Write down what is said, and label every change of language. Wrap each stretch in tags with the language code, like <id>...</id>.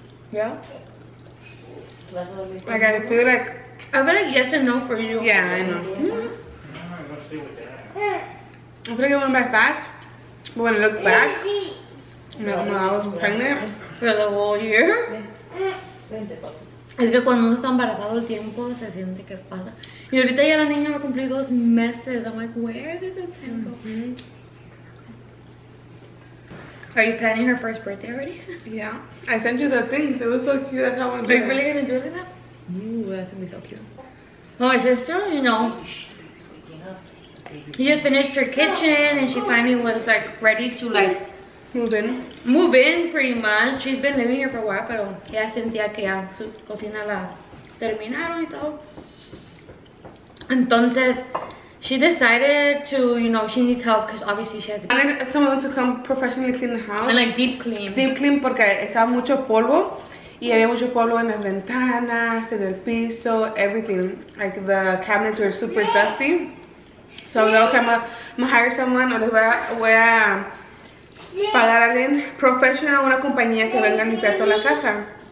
<en>Yeah. Like, I feel like... I feel like yes and no for you. Yeah, I know. Mm-hmm. I feel like it went by fast. But when I look back, when I was pregnant. For the whole year.</en> <es>Es que cuando uno está embarazado, el tiempo se siente que pasa. Y ahorita ya la niña me ha cumplido 2 meses.</es> <en>I'm like, where did the time go? Are you planning her first birthday already? Yeah. I sent you the things. It was so cute. That's how I went. Are you really gonna do it like that? Ooh, that's gonna be so cute. Oh, my sister, you know. You just finished your kitchen and she finally was like ready to like move in. Move in pretty much. She's been living here for a while,</en> <es>pero ya sentía que ya su cocina la terminaron y todo. Entonces,</es> <en>she decided to, you know, she needs help because obviously she has to be. I need someone to come professionally clean the house. And like deep clean. Deep clean</en> <es>porque estaba mucho polvo. Y había mucho polvo en las ventanas, en el piso,</es> <en>everything. Like the cabinets were super dusty. So I'm like, okay, I'm gonna hire someone.</en> <es>O les voy a pagar a alguien professional, una compañía que venga a limpiar toda la casa.</es>